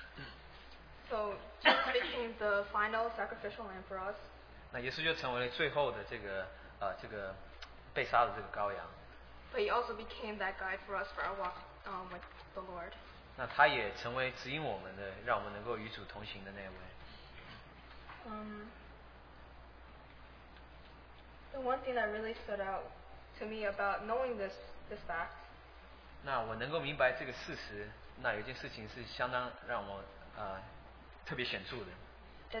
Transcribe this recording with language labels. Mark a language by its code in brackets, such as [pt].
[en] Jesus became the final sacrificial lamb for us. [zh] 那耶稣就成为了最后的这个被杀的这个羔羊。 [en] But He also became that guide for us for our walk with the Lord. [zh] 那他也成为指引我们的，让我们能够与主同行的那位。 [en] The one thing that really stood out. To me about knowing this fact. [zh] 那我能够明白这个事实，那有件事情是相当让我特别显著的。